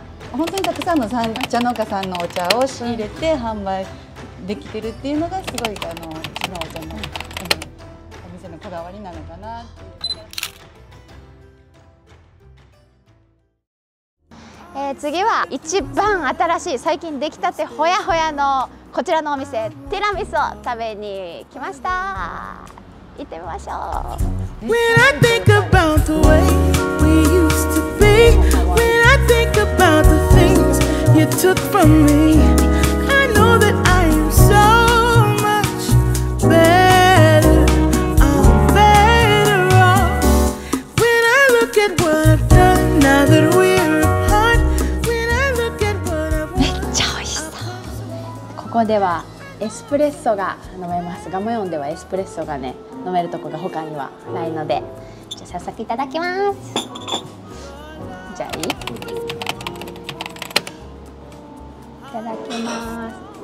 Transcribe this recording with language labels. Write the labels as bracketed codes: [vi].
[ja] 本当にたくさんの茶農家さんのお茶を仕入れて販売できてるっていうのがすごいうちのお茶の、お店のこだわりなのかな。次は一番新しい、最近できたてほやほやのこちらのお店、ティラミスを食べに来ました。行ってみましょう。 [en] When I think about the way we used to be, when I think about the things you took from me, I know that I am so much better, I'm better off. When I look at what I've done now that we [ja] ここではエスプレッソが飲めます。ガモ4ではエスプレッソがね、飲めるとこが他にはないので、じゃあ早速いただきます。じゃあいい？いただきます。